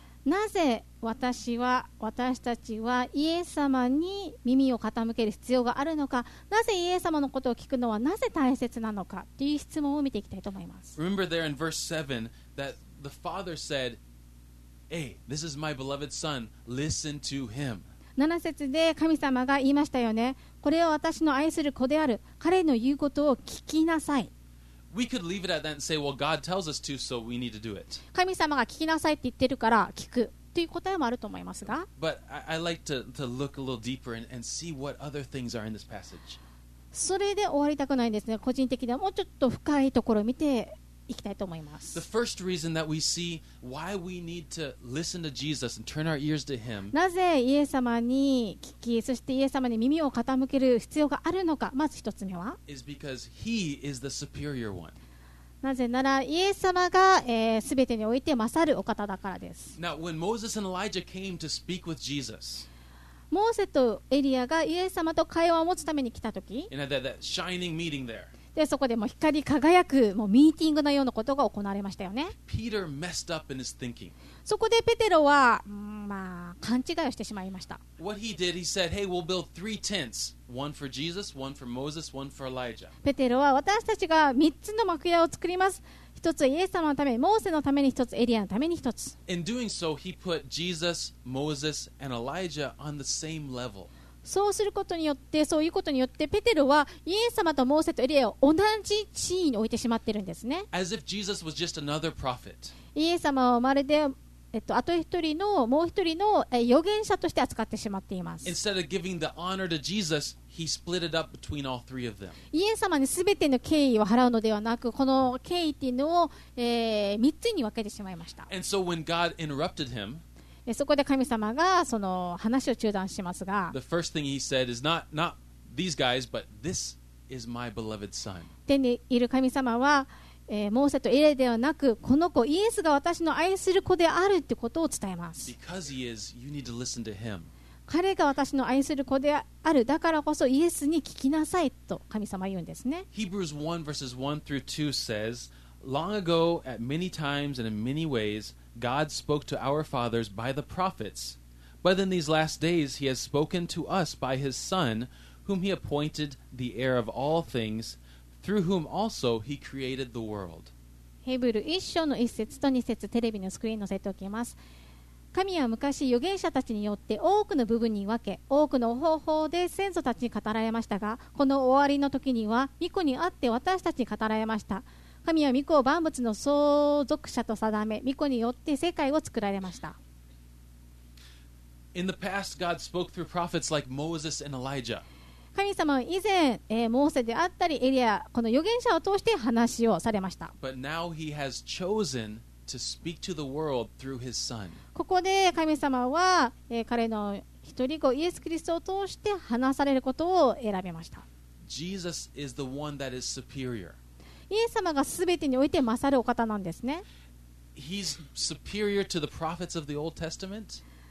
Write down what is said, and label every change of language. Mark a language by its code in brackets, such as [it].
[ja] なぜ私たちはイエス様に耳を傾ける必要があるのか、なぜイエス様のことを聞くのはなぜ大切なのかっていう質問を見ていきたいと思います。 [en] Remember there in verse 7 that the Father said, "Hey, this is my beloved Son. Listen to him." [ja] 7節で神様が言いましたよね。これは私の愛する子である。彼の言うことを聞きなさい。 [en] We could leave it at that and say, well, God tells us to, so we need to do it. [ja] 神様が聞きなさいって言ってるから聞くという答えもあると思いますが。 [en] But I like to look a little deeper and see what other things are in this passage. [ja] それで終わりたくないんですね。個人的にはもうちょっと深いところを見ていきたいと思います。 [en] The first reason that we see why we need to listen to Jesus and turn our ears to Him. [ja] なぜイエス様に聞き、そしてイエス様に耳を傾ける必要があるのか。まず一つ目は。 [en] Is because He is the superior one. [ja] なぜならイエス様が、全てにおいて勝るお方だからです。 [en] Now when Moses and Elijah came to speak with Jesus. [ja] モーセとエリアがイエス様と会話を持つために来た時。 [en] And at that shining meeting there. [ja] でそこでもう光り輝くもうミーティングのようなことが行われましたよね。 [en] Peter messed up in his thinking. [ja] そこでペテロは、まあ、勘違いをしてしまいました。 [en] What he did, he said, "Hey, we'll build three tents: one for Jesus, one for Moses, one for Elijah." [ja] ペテロは私たちが三つの幕屋を作ります。一つはイエス様のために、モーセのために一つ、エリアのために一つ。 [en] In doing so, he put Jesus, Moses, and Elijah on the same level. [ja] そうすることによって、そういうことによってペテロはイエス様とモーセとエリアを同じ地位に置いてしまっているんですね。 [en] As if Jesus was just another prophet. [ja] イエス様はまるで、あと一人のもう一人の預言者として扱ってしまっています。 [en] Instead of giving the honor to Jesus, he split it up between all three of them. [ja] イエス様に全ての敬意を払うのではなく、この敬意っていうのを、3つに分けてしまいました。 [en] And so when God interrupted him, [ja] そこで神様がその話を中断しますが、 [en] The first thing he said is not these guys, but this is my beloved son. [ja] 天にいる神様は、モーセとエレではなく、この子イエスが私の愛する子であるってことを伝えます。 [en] Because he is, you need to listen to him. [ja] 彼が私の愛する子であるだからこそイエスに聞きなさいと神様は言うんですね。 [en] Hebrews 1 verses 1 through 2 says, "Long ago, at many times and in many ways,God spoke to our fathers by the prophets, but in these last days he has spoken to us by his Son, whom he appointed the heir of all things, through whom also he created the world." [ja] ヘブル1章の1節と2節、テレビのスクリーンに載せておきます。神は昔預言者たちによって多くの部分に分け、多くの方法で先祖たちに語られましたが、この終わりの時には御子に会って私たちに語られました。神は御子を万物の相続者と定め、御子によって世界を作られました。 [en] In the past, God spoke through prophets like Moses and Elijah. [ja] 神様は以前、モーセであったりエリア、この預言者を通して話をされました。 [en] But now he has chosen to speak to the world through his son. [ja] ここで神様は、彼の一人子イエス・キリストを通して話されることを選びました。 [en] Jesus is the one that is superior. [ja] イエス様が全てにおいて勝るお方なんですね。 [en] He's superior to the prophets of the Old Testament.